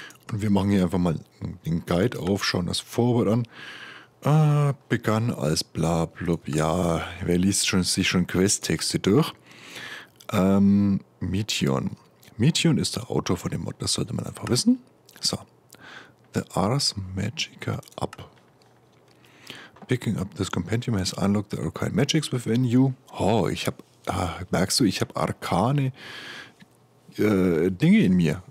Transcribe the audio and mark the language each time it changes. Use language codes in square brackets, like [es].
[de] Und wir machen hier einfach mal den Guide auf, schauen das Vorwort an. Begann als blablub. Ja, wer liest schon, sich schon Questtexte durch? Meteon. Meteon ist der Autor von dem Mod, das sollte man einfach wissen. [en] So. The Ars Magica Up. Picking up this compendium has unlocked the arcane magics within you. [de] Oh, ich hab, merkst du, ich habe arcane Dinge in mir.